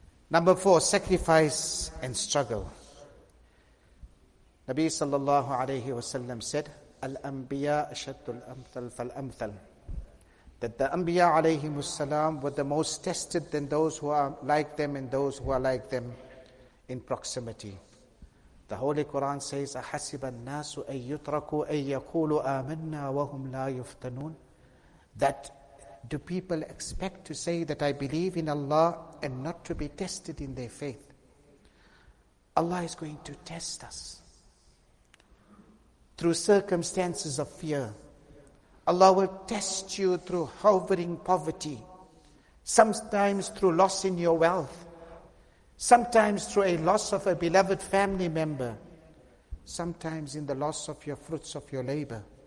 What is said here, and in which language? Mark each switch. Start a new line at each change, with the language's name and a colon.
English: Number four, sacrifice and struggle. Nabi sallallahu alayhi wa sallam said,
Arabic: Al-Anbiya ashaddu al-amthal fal-amthal.
English: That the Anbiya alayhim as-salam were the most tested than those who are like them and those who are like them in proximity. The Holy Quran says,
Arabic: أَحَسِبَ النَّاسُ أَن يُتْرَكُوا أَن يَقُولُوا آمَنَّا وَهُمْ لَا يُفْتَنُونَ.
English: That do people expect to say that I believe in Allah and not to be tested in their faith? Allah is going to test us through circumstances of fear. Allah will test you through hovering poverty, sometimes through loss in your wealth, sometimes through a loss of a beloved family member, sometimes in the loss of your fruits of your labor.